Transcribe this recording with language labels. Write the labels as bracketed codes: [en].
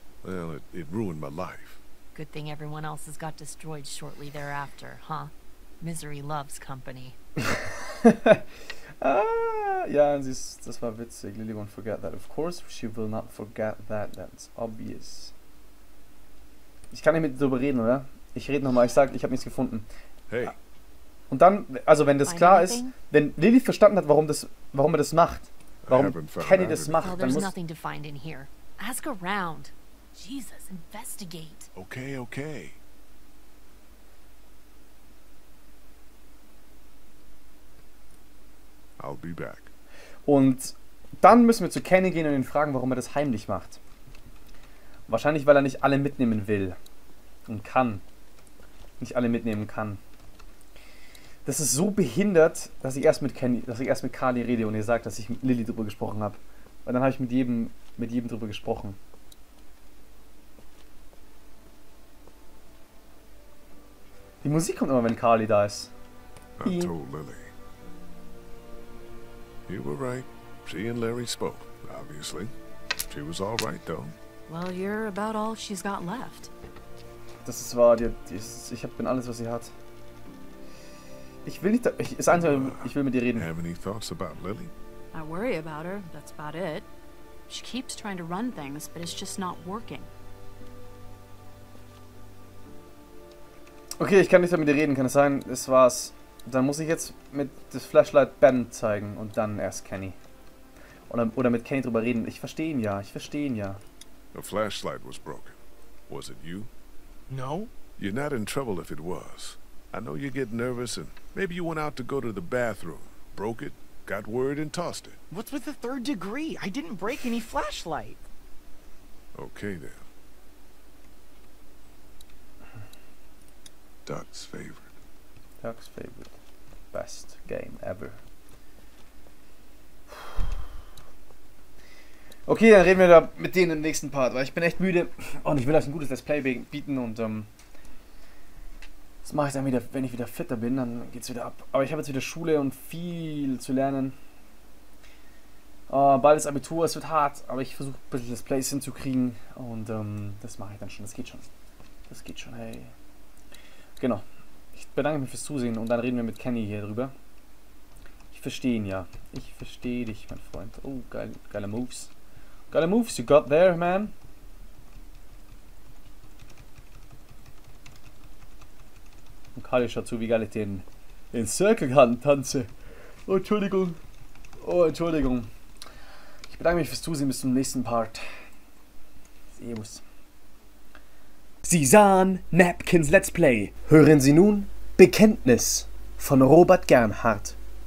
[en] Well, it ruined my life. Good thing everyone else has got destroyed shortly thereafter, huh? Misery loves company. [de] Ja, das war witzig. [en] Lily won't forget that. Of course she will not forget that. That's obvious. [de] Ich kann nicht mit dir drüber reden, oder? Ich rede nochmal. Ich sag, ich habe nichts gefunden. [en] Hey. [de] Und dann, also wenn das klar ist, wenn Lily verstanden hat, warum er das macht, warum Kenny das macht, dann muss... [en] Ask around. Jesus, investigate. Okay, okay. I'll be back. [de] Und dann müssen wir zu Kenny gehen und ihn fragen, warum er das heimlich macht. Wahrscheinlich, weil er nicht alle mitnehmen will. Und kann. Nicht alle mitnehmen kann. Das ist so behindert, dass ich erst mit Kenny, dass ich erst mit Carly rede und ihr sagt, dass ich mit Lily drüber gesprochen habe. Und dann habe ich mit jedem drüber gesprochen. Die Musik kommt immer, wenn Carly da ist. [en] I told Lily. You were right. She and Larry spoke, obviously. She was all right, though. Well, you're about all she's got left. [de] Das ist wahr. Ich bin alles, was sie hat. Ich will nicht... ich will mit dir reden. [en] Have any thoughts about Lily? I worry about her. That's about it. She keeps trying to run things, but it's just not working. [de] Okay, ich kann nicht mehr mit dir reden, kann es sein? Das war's. Dann muss ich jetzt mit das Flashlight Ben zeigen und dann erst Kenny. Oder mit Kenny drüber reden. Ich verstehe ihn ja, ich verstehe ihn ja. [en] The flashlight was broken. Was it you? No. You're not in trouble if it was. I know you get nervous and maybe you went out to go to the bathroom. Broke it, got worried and tossed it. What's with the third degree? I didn't break any flashlight. Okay then. Duck's favorite. Duck's favorite. Best game ever. [de] Okay, dann reden wir da mit denen im nächsten Part, weil ich bin echt müde und ich will euch ein gutes Let's Play bieten und das mache ich dann wieder, wenn ich wieder fitter bin, dann geht's wieder ab. Aber ich habe jetzt wieder Schule und viel zu lernen. Bald ist Abitur, es wird hart, aber ich versuche ein bisschen Let's Plays hinzukriegen und das mache ich dann schon. Das geht schon. Das geht schon, hey. Genau. Ich bedanke mich fürs Zusehen und dann reden wir mit Kenny hier drüber. Ich verstehe ihn ja. Ich verstehe dich, mein Freund. Oh, geile Moves. Geile Moves, [en] you got there, man. [de] Und Carly schaut zu, wie geil ich den Circle-Gun tanze. Oh, Entschuldigung. Oh, Entschuldigung. Ich bedanke mich fürs Zusehen. Bis zum nächsten Part. Servus. Sie sahen Napkins Let's Play. Hören Sie nun Bekenntnis von Robert Gernhardt.